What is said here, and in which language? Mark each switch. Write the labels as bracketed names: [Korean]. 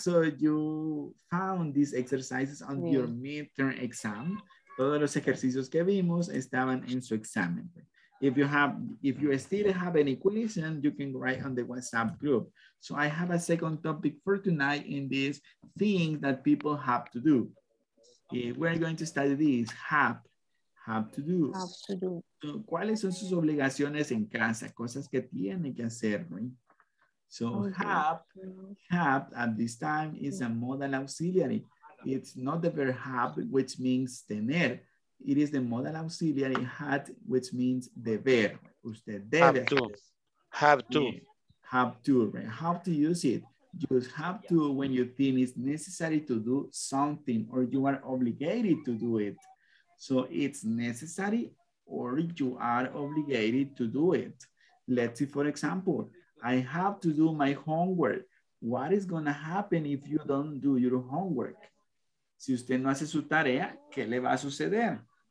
[English] So you found these exercises on your midterm exam. [Spanish] Todos los ejercicios que vimos estaban en su examen. [English] If you still have any questions, you can write on the WhatsApp group. So I have a second topic for tonight in this thing that people have to do. We're going to study this, have to do. Have to do. [Spanish] ¿Cuáles son sus obligaciones en casa? Cosas que tiene que hacer, right? [English] So have at this time is a modal auxiliary. It's not the verb have, which means tener. It is the modal auxiliary had, which means deber. [Spanish] Usted debe. [English] Have to. Right? How to use it? Just have to when you think it's necessary to do something or you are obligated to do it. So it's necessary or you are obligated to do it. Let's see, for example, I have to do my homework. What is going to happen if you don't do your homework? [Spanish] Si usted no hace su tarea, ¿qué le va a suceder?